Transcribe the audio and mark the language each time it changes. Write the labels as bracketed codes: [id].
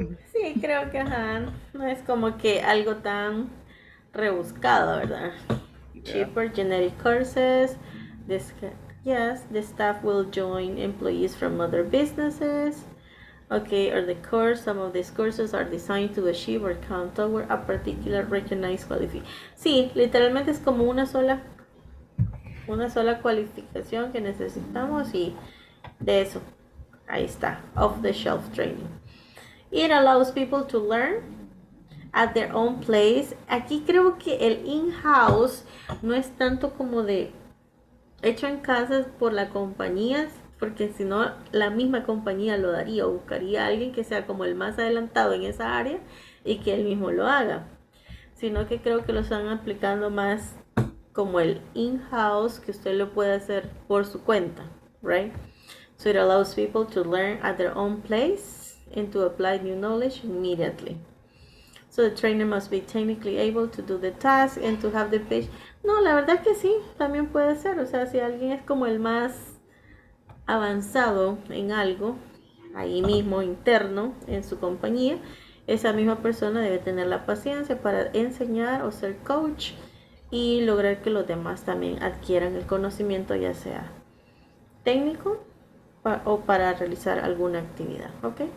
[es] Sí, creo que ajá, no es como que algo tan rebuscado, ¿verdad? [en] Yeah. Cheaper generic courses. The staff will join employees from other businesses. Okay, or the course, some of these courses are designed to achieve or count toward a particular recognized qualification. [es] Sí, literalmente es como una sola cualificación que necesitamos y de eso. Ahí está, [en] off the shelf training. It allows people to learn at their own place. [es] Aquí creo que el in-house no es tanto como de hecho en casa por la compañía, porque si no, la misma compañía lo daría o buscaría a alguien que sea como el más adelantado en esa área y que él mismo lo haga. Sino que creo que lo están aplicando más como el in-house que usted lo puede hacer por su cuenta, right? [en] So it allows people to learn at their own place and to apply new knowledge immediately. So the trainer must be technically able to do the task and to have the patience. [es] No, la verdad es que sí, también puede ser. O sea, si alguien es como el más avanzado en algo, ahí mismo, interno, en su compañía, esa misma persona debe tener la paciencia para enseñar o ser coach y lograr que los demás también adquieran el conocimiento, ya sea técnico o para realizar alguna actividad, ¿ok?